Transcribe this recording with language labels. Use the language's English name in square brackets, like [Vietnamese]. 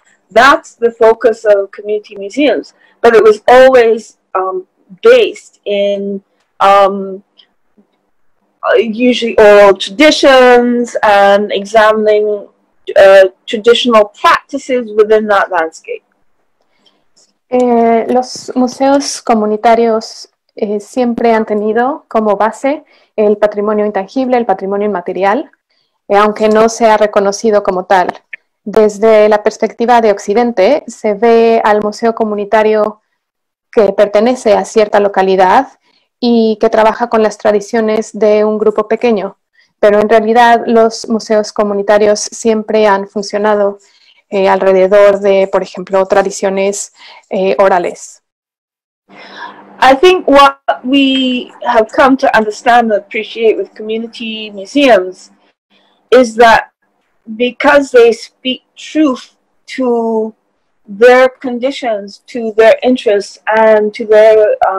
[English] That's the focus of community museums, but it was always based in usually oral traditions and examining traditional practices within that landscape. [Spanish] Los museos comunitarios siempre han tenido como base el patrimonio intangible, el patrimonio inmaterial, aunque no sea reconocido como tal. Desde la perspectiva de Occidente, se ve al museo comunitario que pertenece a cierta localidad y que trabaja con las tradiciones de un grupo pequeño. Pero en realidad los museos comunitarios siempre han funcionado alrededor de, por ejemplo, tradiciones orales. [English] I think what we have come to understand and appreciate with community museums is that because they speak truth to their conditions, to their interests, and to their...